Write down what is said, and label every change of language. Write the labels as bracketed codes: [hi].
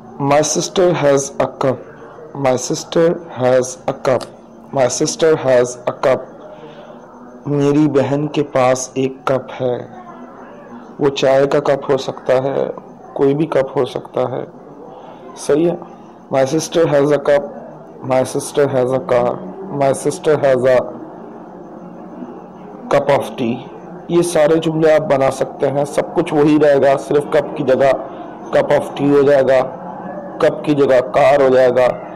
[en] My sister has a cup. My sister has a cup. My sister has a cup. [ur] میری بہن کے پاس ایک cup ہے. وہ چائے کا کپ ہو سکتا ہے, کوئی بھی کپ ہو سکتا ہے, صحیح ہے. [en] My sister has a cup. My sister has a car. My sister has a cup of tea. [ur] یہ سارے جملے آپ بنا سکتے ہیں, سب کچھ وہی رہے گا, صرف کپ کی جگہ کپ آف ٹی ہو جائے گا, کپ کی جگہ کار ہو جائے گا.